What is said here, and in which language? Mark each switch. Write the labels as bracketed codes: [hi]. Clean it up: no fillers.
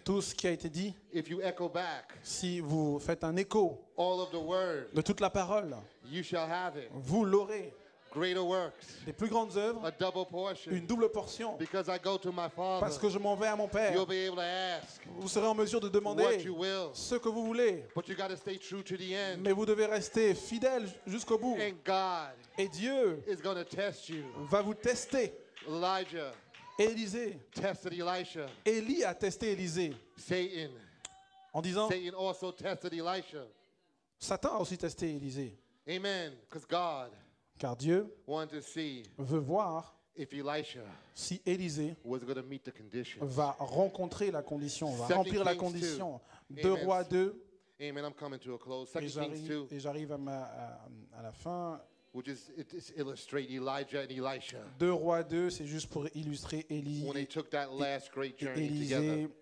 [fr] tout ce qui a été dit, [en] if you echo back, [fr] si vous faites un écho [en] all of the word, [fr] de toute la parole, [en] you shall have it. [fr] Vous l'aurez. [en] Greater works, [fr] des plus grandes œuvres, [en] a double portion, [fr] une double portion, [en] because I go to my father, [fr] parce que je m'en vais à mon Père. [en] You'll be able to ask, [fr] vous serez en mesure de demander [en] what you will, [fr] ce que vous voulez, [en] but you gotta stay true to the end. [fr] Mais vous devez rester fidèle jusqu'au bout. [en] And God, [fr] et Dieu [en] is gonna test you, [fr] va vous tester. [en] Elijah. [fr] Élisée. [en] Tested Elisha. [fr] Élie a testé Élisée. [en] Satan. [fr] En disant. [en] Satan also tested Elisha. [fr] Satan a aussi testé Élisée. [en] Amen. Because God. [fr] Car Dieu. [en] Wanted to see. [fr] Veut voir. [en] If Elisha. [fr] Si Élisée. [en] Was going to meet the conditions. [fr] Va rencontrer la condition. Va remplir la condition. Deux rois deux. [en] Amen. I'm coming to a close. Second Kings 2. [fr] Et j'arrive à la fin. [en] Which is it is illustrate Elijah and Elisha. [fr] Deux rois deux, c'est juste pour illustrer Élie. [en] When they took that last great journey together.